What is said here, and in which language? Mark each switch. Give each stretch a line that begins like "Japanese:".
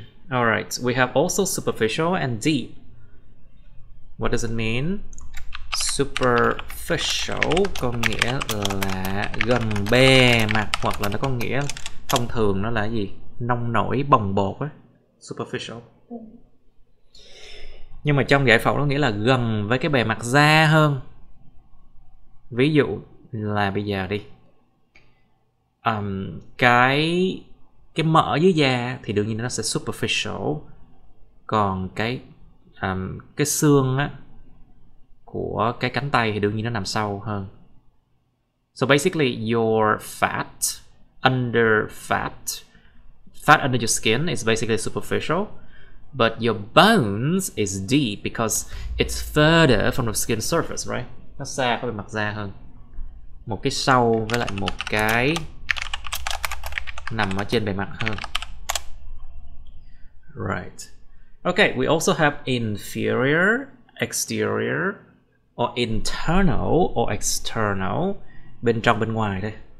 English: All right, we have also superficial and deep. What does it mean?
Vietnamese: Superficial có nghĩa là gần bề mặt, hoặc là nó có nghĩa thông thường nó là gì? Nông nổi, bồng bột á. Superficial. Nhưng mà trong giải phẫu nó nghĩa là gần với cái bề mặt da hơn. Ví dụ là bây giờ đi. Cái mỡ dưới da thì đương nhiên nó sẽ superficial. Còn cái xương á của cái cánh tay thì đương nhiên nó nằm sâu hơn.
English: So basically your fat under fat, fat under your skin is basically superficial, but your bones is deep because it's further from the skin surface, right?
Vietnamese: Nó xa khỏi bề mặt da hơn. Một cái sâu với lại một cái nằm ở trên bề mặt hơn.
English: Right. Okay, we also have inferior, exterior, or internal or external,
Vietnamese: bên trong bên ngoài đây.